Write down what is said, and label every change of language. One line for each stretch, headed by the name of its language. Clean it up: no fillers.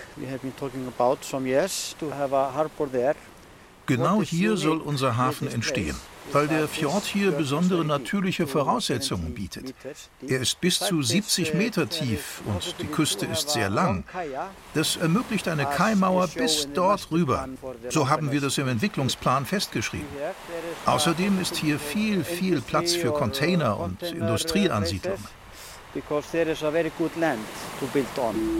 English: We have been talking about some years to have a harbor there.
German: Genau hier soll unser Hafen entstehen, weil der Fjord hier besondere natürliche Voraussetzungen bietet. Er ist bis zu 70 Meter tief und die Küste ist sehr lang. Das ermöglicht eine Kaimauer bis dort rüber. So haben wir das im Entwicklungsplan festgeschrieben. Außerdem ist hier viel, viel Platz für Container und Industrieansiedlungen.
English: Because there is a very good land to build on.